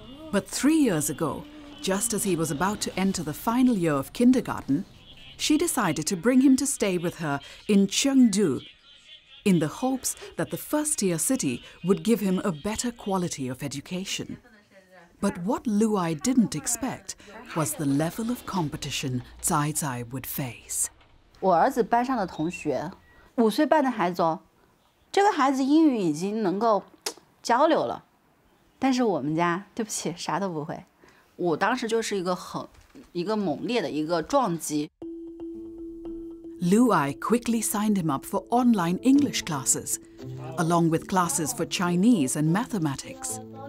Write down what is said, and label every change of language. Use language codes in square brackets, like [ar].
[en] But 3 years ago, just as he was about to enter the final year of kindergarten, she decided to bring him to stay with her in Chengdu, in the hopes that the first-tier city would give him a better quality of education. But what Lu Ai didn't expect was the level of competition Zai Zai would face. [zh] 我儿子班上的同学，五岁半的孩子哦，这个孩子英语已经能够交流了，但是我们家对不起啥都不会。我当时就是一个猛烈的一个撞击。 [en] Lu Ai quickly signed him up for online English classes, along with classes for Chinese and mathematics.